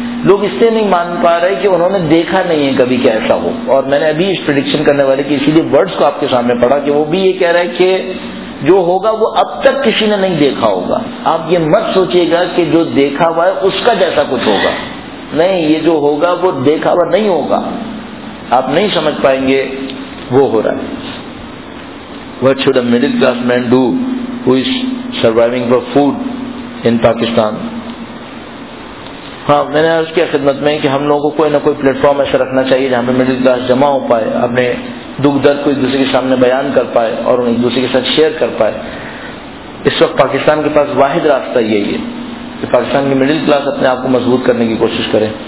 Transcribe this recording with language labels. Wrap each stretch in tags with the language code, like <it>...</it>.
<ur>لوگ اس سے نہیں مان پا رہے کہ انہوں نے دیکھا نہیں ہے کبھی کہ ایسا ہو, اور میں نے ابھی اس پریڈکشن کرنے والے کی اسی لیے ورڈز کو آپ کے سامنے پڑھا کہ وہ بھی یہ کہہ رہا ہے کہ جو ہوگا وہ اب تک کسی نے نہیں دیکھا ہوگا. آپ یہ مت سوچیے گا کہ جو دیکھا ہوا ہے اس کا جیسا کچھ ہوگا, نہیں, یہ جو ہوگا وہ دیکھا ہوا نہیں ہوگا. آپ نہیں سمجھ پائیں گے وہ ہو رہا ہے.</ur> <en>What should a middle class man do who is surviving for food in Pakistan?</en> <ur>ہاں میں نے عرض کیا خدمت میں کہ ہم لوگوں کو کوئی نہ کوئی پلیٹ فارم ایسا رکھنا چاہیے جہاں پہ مڈل کلاس جمع ہو پائے, اپنے دکھ درد کو ایک دوسرے کے سامنے بیان کر پائے اور ایک دوسرے کے ساتھ شیئر کر پائے. اس وقت پاکستان کے پاس واحد راستہ یہی ہے کہ پاکستان کی مڈل کلاس اپنے آپ کو مضبوط کرنے کی کوشش کرے.</ur>